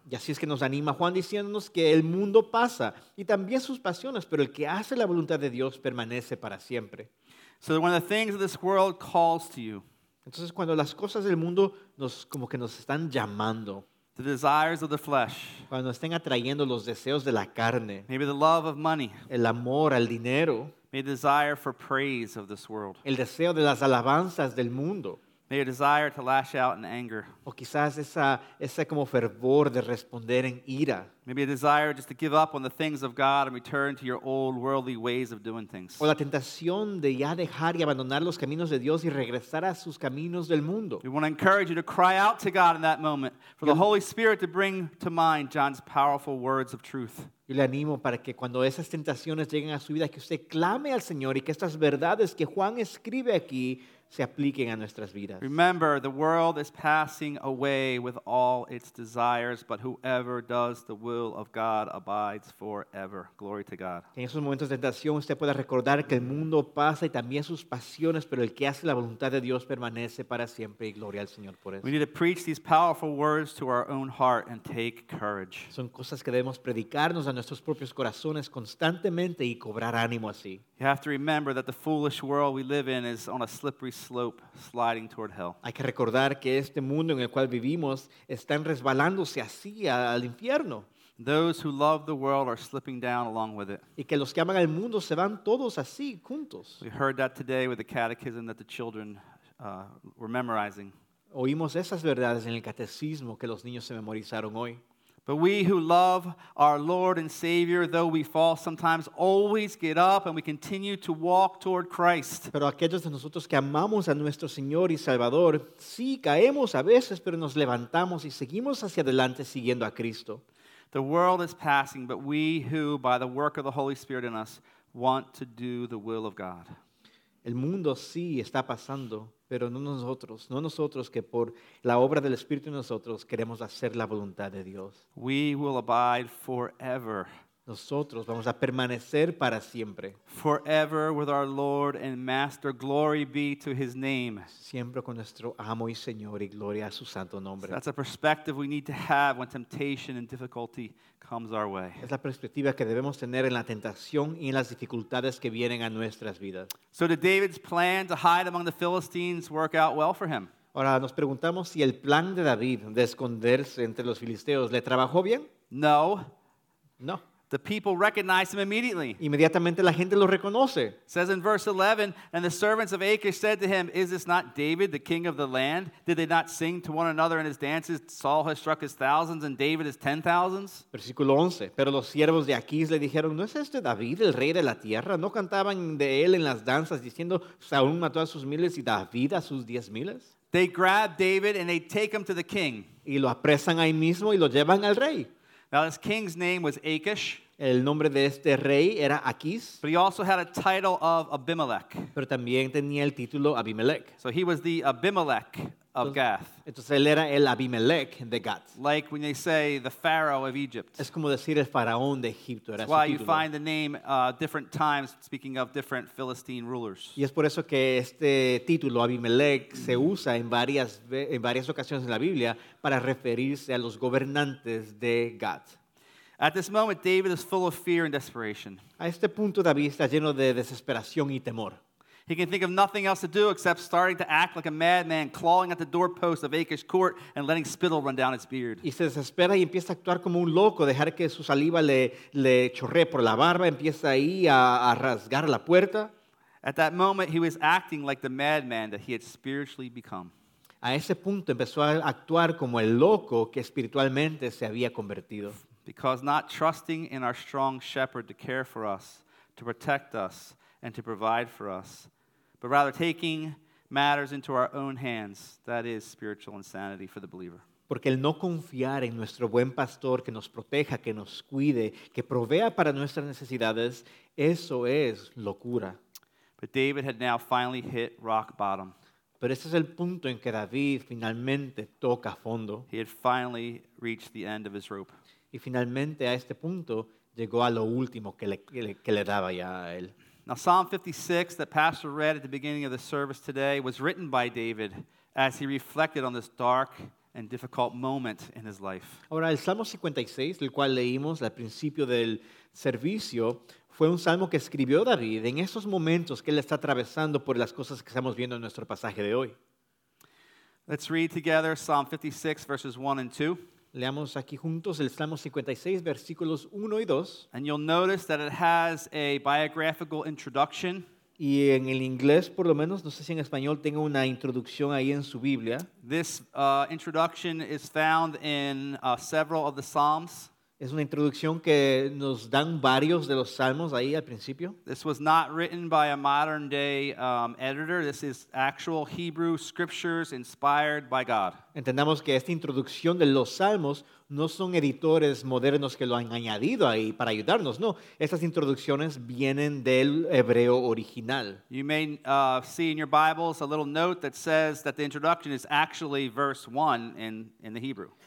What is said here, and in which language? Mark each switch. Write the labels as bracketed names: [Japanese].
[Spanish] Y así es que nos anima Juan diciéndonos que el mundo pasa y también sus pasiones, pero el que hace la voluntad de Dios permanece para siempre. [English] So when the things of this world calls to you, [Spanish] Entonces, cuando las cosas del mundo nos, como que nos están llamando, [English] The desires of the flesh. [Spanish] Cuando estén atrayendo los deseos de la carne. [English] Maybe the love of money. [Spanish] El amor al dinero. [English] Maybe the desire for praise of this world. [Spanish] El deseo de las alabanzas del mundo. [English] Maybe a desire to lash out in anger. [Spanish] O quizás ese como fervor de responder en ira. [English] Maybe a desire just to give up on the things of God and return to your old worldly ways of doing things. [Spanish] O la tentación de ya dejar y abandonar los caminos de Dios y regresar a sus caminos del mundo. [English] We want to encourage you to cry out to God in that moment for the Holy Spirit to bring to mind John's powerful words of truth. [Spanish] Yo le animo para que cuando esas tentaciones lleguen a su vida, que usted clame al Señor y que estas verdades que Juan escribe aquí se apliquen a nuestras vidas. [English] Remember, the world is passing away with all its desires, but whoever does the will of God abides forever. Glory to God. [Spanish] En esos momentos de tentación, usted pueda recordar que el mundo pasa y también sus pasiones, pero el que hace la voluntad de Dios permanece para siempre. Y gloria al Señor por eso. [English] We need to preach these powerful words to our own heart and take courage. [Spanish] Son cosas que debemos predicarnos a nuestros propios corazones constantemente y cobrar ánimo así. [English] You have to remember that the foolish world we live in is on a slippery slope sliding toward hell. [Spanish] Hay que recordar que este mundo en el cual vivimos está resbalándose así al infierno. [English] Those who love the world are slipping down along with it. [Spanish] Y que los que aman al mundo se van todos así juntos. [English] We heard that today with the catechism that the children were memorizing. [Spanish] Oímos esas verdades en el catecismo que los niños se memorizaron hoy. [English] But we who love our Lord and Savior, though we fall sometimes, always get up and we continue to walk toward Christ. [Spanish] Pero aquellos de nosotros que amamos a nuestro Señor y Salvador, sí caemos a veces, pero nos levantamos y seguimos hacia adelante siguiendo a Cristo. [English] The world is passing, but we who, by the work of the Holy Spirit in us, want to do the will of God. [Spanish] El mundo sí está pasando, pero no nosotros, no nosotros que por la obra del Espíritu en nosotros queremos hacer la voluntad de Dios. [English] We will abide forever. [Spanish] Nosotros vamos a permanecer para siempre. [English] Forever with our Lord and Master, glory be to his name. [Spanish] Siempre con nuestro amo y Señor y gloria a su santo nombre. [English] So that's a perspective we need to have when temptation and difficulty comes our way. [Spanish] Es la perspectiva que debemos tener en la tentación y en las dificultades que vienen a nuestras vidas. [English] So did David's plan to hide among the Philistines work out well for him? [Spanish] Ahora nos preguntamos si el plan de David de esconderse entre los filisteos le trabajó bien. [English] No. [Spanish] No. [English] The people recognize him immediately. [Spanish] Inmediatamente la gente lo reconoce. [English] It says in verse 11, and the servants of Achish said to him, is this not David, the king of the land? Did they not sing to one another in his dances? Saul has struck his thousands and David his ten thousands. [Spanish] Versículo 11, pero los siervos de Achish le dijeron, ¿no es este David, el rey de la tierra? ¿No cantaban de él en las danzas diciendo, Saúl mató a sus miles y David a sus diez miles? [English] They grab David and they take him to the king. [Spanish] Y lo apresan ahí mismo y lo llevan al rey. [English] Now this king's name was Achish. [Spanish] El nombre de este rey era Achish. [English] But he also had a title of Abimelech. [Spanish] Pero también tenía el título Abimelech. [English] So he was the Abimelech of Gath. [Spanish] Entonces él era el Abimelech de Gath. [English] Like when they say the Pharaoh of Egypt. [Spanish] Es como decir el faraón de Egipto. [English] That's why you find the name different times speaking of different Philistine rulers. [Spanish] Y es por eso que este título Abimelech se usa en varias ocasiones en la Biblia para referirse a los gobernantes de Gath. [English] At this moment, David is full of fear and desperation. [Spanish] A este punto, David está lleno de desesperación y temor. [English] He can think of nothing else to do except starting to act like a madman, clawing at the doorpost of Achish's court and letting spittle run down his beard. [Spanish] Y se desespera y empieza a actuar como un loco, dejar que su saliva le chorre por la barba, empieza ahí a rasgar la puerta. [English] At that moment, he was acting like the madman that he had spiritually become. [Spanish] A ese punto, empezó a actuar como el loco que espiritualmente se había convertido. [English] Because not trusting in our strong shepherd to care for us, to protect us, and to provide for us, but rather taking matters into our own hands, that is spiritual insanity for the believer. [Spanish] Porque el no confiar en nuestro buen pastor que nos proteja, que nos cuide, que provea para nuestras necesidades, eso es locura. [English] But David had now finally hit rock bottom. [Spanish] Pero este es el punto en que David finalmente toca fondo. [English] He had finally reached the end of his rope. [Spanish] Y finalmente a este punto llegó a lo último que le daba ya a él. [English] Now Psalm 56 that Pastor read at the beginning of the service today was written by David as he reflected on this dark and difficult moment in his life. [Spanish] Ahora el Salmo 56, el cual leímos al principio del servicio, fue un salmo que escribió David en esos momentos que él está atravesando por las cosas que estamos viendo en nuestro pasaje de hoy. [English] Let's read together Psalm 56 verses 1 and 2. [Spanish] Leamos aquí juntos el Salmo 56, versículos 1 y 2. [English] And you'll notice that it has a biographical introduction. [Spanish] Y en el inglés, por lo menos, no sé si en español, tenga una introducción ahí en su Biblia. [English] This introduction is found in several of the Psalms. [Spanish] Es una introducción que nos dan varios de los salmos ahí al principio. [English] This was not written by a modern day editor. This is actual Hebrew scriptures inspired by God. [Spanish] Entendamos que esta introducción de los salmos no son editores modernos que lo han añadido ahí para ayudarnos, no. Estas introducciones vienen del hebreo original. [English] You may see in your Bibles a little note that says that the introduction is actually verse 1 in the Hebrew.